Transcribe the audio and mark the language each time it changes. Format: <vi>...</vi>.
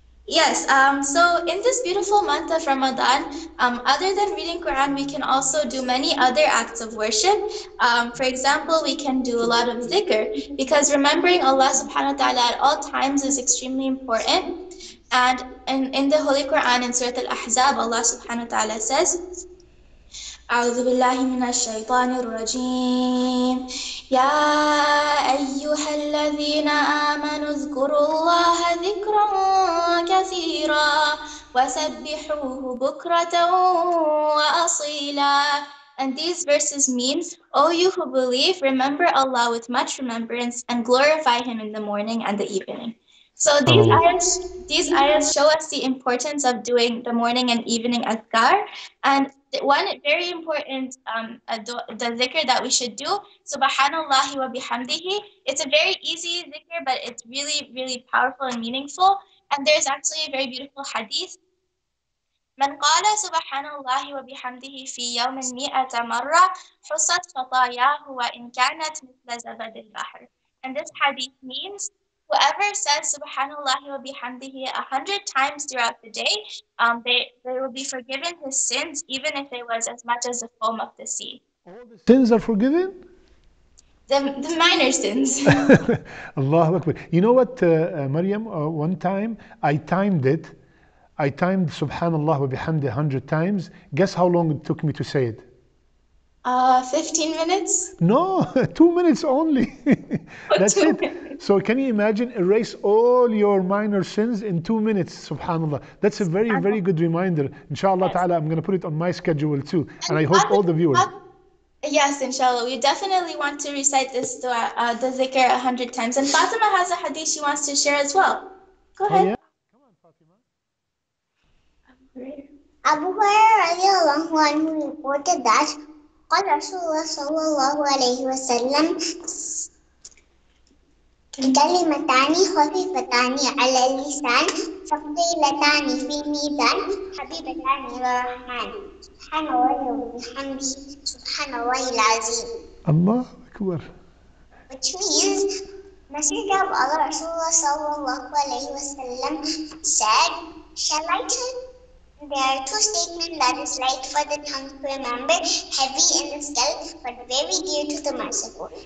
<en>Yes, so in this beautiful month of Ramadan, other than reading Quran, we can also do many other acts of worship. For example, we can do a lot of dhikr, because remembering Allah subhanahu wa ta'ala at all times is extremely important. And in the Holy Quran, in Surah Al-Ahzab, Allah subhanahu wa ta'ala says,</en> <ar>أعوذ بالله من الشيطان الرجيم يا أيها الذين آمنوا اذكروا الله ذكرا كثيرا وسبحوه بكرة وأصيلا.</ar> <en>And these verses mean, O you who believe, remember Allah with much remembrance and glorify Him in the morning and the evening. So these ayahs show us the importance of doing the morning and evening adhkar. And one very important the dhikr that we should do, Subhanallah wa bihamdihi. It's a very easy dhikr, but it's really, really powerful and meaningful. And there's actually a very beautiful hadith.</en> <ar>من قال سبحان الله وبحمده في يوم مئة مرة حصت خطاياه وإن كانت مثل زبد البحر.</ar> <en>And this hadith means, whoever says Subhanallah wa bihamdihi 100 times throughout the day, they will be forgiven his sins, even if it was as much as the foam of the sea. All the sins are forgiven? The minor sins. Allahu Akbar. You know what, Maryam? One time I timed it. I timed Subhanallah wa bihamdihi 100 times. Guess how long it took me to say it? 15 minutes? No, 2 minutes only. That's it. So can you imagine, erase all your minor sins in 2 minutes, Subhanallah. That's a very, very good reminder. Inshallah, yes. Ta'ala, I'm going to put it on my schedule too. And I hope all the viewers. Yes, inshallah. We definitely want to recite this dua, the zikr, 100 times. And Fatima has a hadith she wants to share as well. Go ahead. Oh, yeah? Come on, Fatima. Abu Hurairah radiallahu anhu reported that</en> <ar>قال رسول الله صلى الله عليه وسلم كلمتان خفيفتان على اللسان ثقيلتان في الميزان حبيبتان ورحمان سبحان الله وبحمده سبحان الله العظيم. الله أكبر.</ar> <en>Which means, Masjid of Allah</en> <ar>رسول الله صلى الله عليه وسلم</ar> <en>said, shall I tell? There are two statements that is light for the tongue to remember, heavy in the skull, but very dear to the merciful.</en>